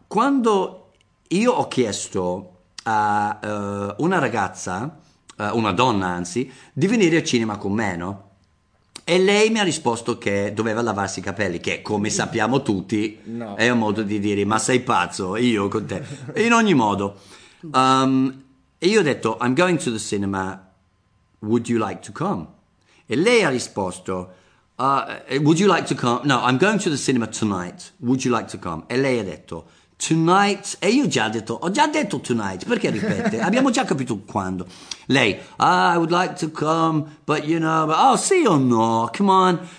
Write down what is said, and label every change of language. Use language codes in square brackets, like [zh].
[it] Quando io ho chiesto a una ragazza, una donna anzi, di venire al cinema con me, no? E lei mi ha risposto che doveva lavarsi i capelli, che come sappiamo tutti no. È un modo di dire ma sei pazzo, io con te. In ogni modo, e io ho detto [en] I'm going to the cinema, would you like to come? [it] E lei ha risposto [en] would you like to come? No, I'm going to the cinema tonight, would you like to come? [it] E lei ha detto tonight, e io ho già detto tonight, perché ripete? Abbiamo già capito quando. [en] Lei, I would like to come, but you know, but, [it] oh sì o no, [en] come on.